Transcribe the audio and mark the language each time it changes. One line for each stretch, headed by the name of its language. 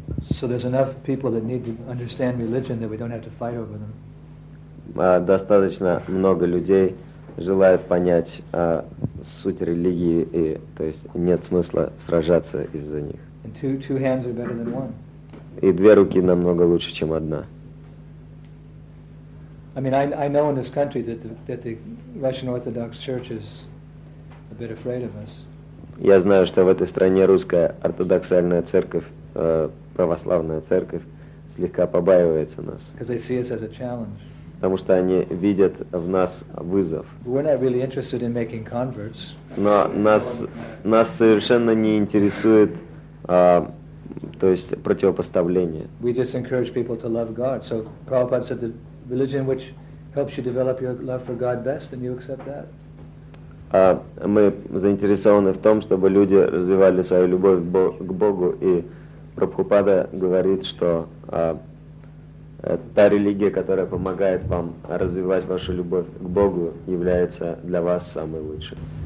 English: So there's enough people that need to understand religion that we don't have to fight over them.
Russian: Достаточно много людей желают понять суть религии, и то есть нет смысла сражаться из-за них.
English: Two hands are better than one.
Russian: И две руки намного лучше, чем одна.
English: I mean, I know in this country that the Russian Orthodox Church is a bit afraid of us.
Russian: Я знаю, что в этой стране русская ортодоксальная церковь, православная церковь, слегка побаивается нас.
English: Because they see us as a challenge.
Russian: Потому что они видят в нас вызов.
English: We're not really interested in making converts.
Russian: Но нас совершенно не интересует то есть противопоставление.
English: We just encourage people to love God. So Prabhupada said the religion which helps you develop your love for God best, then you accept that.
Russian: Мы заинтересованы в том, чтобы люди развивали свою любовь к Богу, и Прабхупада говорит, что та религия, которая помогает вам развивать вашу любовь к Богу, является для вас самой лучшей.